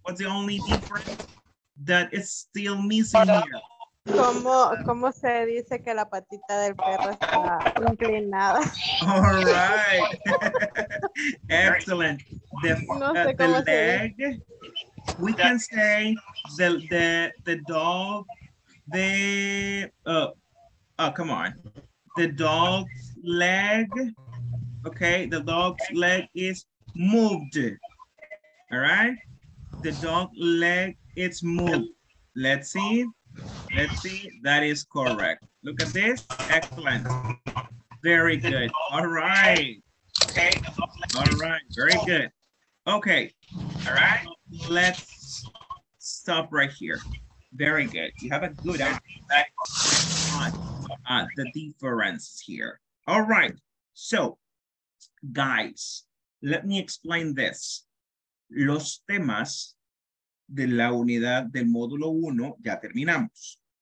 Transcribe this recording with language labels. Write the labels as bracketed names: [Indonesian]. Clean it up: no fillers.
[English] What's the only difference that is still missing here? [Spanish] ¿Cómo se dice que la patita del perro está inclinada? [English] All right. Excellent. The leg. We can say the dog, the dog's leg, okay? The dog's leg is moved, all right? The dog leg is moved. Let's see, that is correct. Look at this, excellent. Very good, all right. Okay, all right, very good. Okay, all right. Let's stop right here. Very good, you have a good idea on the difference here. All right, so guys, let me explain this. [Spanish] Los temas de la unidad del módulo 1 ya terminamos.